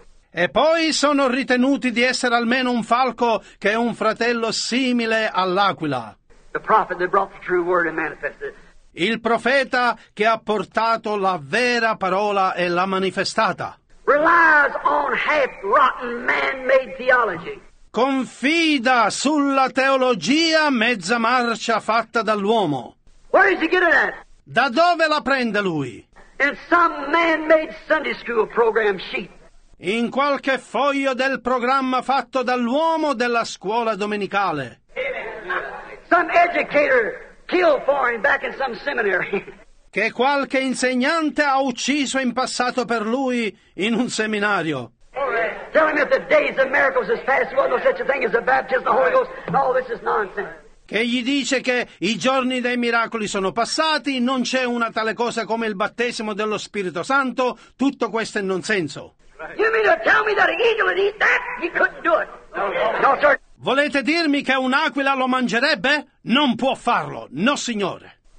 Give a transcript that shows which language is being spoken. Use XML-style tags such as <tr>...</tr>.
<it>E poi sono ritenuti di essere almeno un falco che è un fratello simile all'aquila.</it> <en>The prophet that brought the true word and manifested.</en> <it>Il profeta che ha portato la vera parola e l'ha manifestata.</it> <en>Relies on half-rotten man-made theology.</en> <it>Confida sulla teologia mezza marcia fatta dall'uomo.</it> <en>Where is he getting at?</en> <it>Da dove la prende lui?</it> <en>In some man-made Sunday school program sheet.</en> <it>In qualche foglio del programma fatto dall'uomo della scuola domenicale.</it> <en>Some educator killed for him back in some seminary.</en> <it>Che qualche insegnante ha ucciso in passato per lui in un seminario.</it> <en>Tell him that the days of miracles is past. There was no such a thing as the baptism of the Holy Ghost. All this is nonsense.</en> <it>Che gli dice che i giorni dei miracoli sono passati, non c'è una tale cosa come il battesimo dello Spirito Santo. Tutto questo è nonsenso.</it> <en>You mean to tell me that an eagle would eat that? He couldn't do it. No, sir.</en> <it>Volete dirmi che un'aquila lo mangerebbe? Non può farlo, no signore.</it>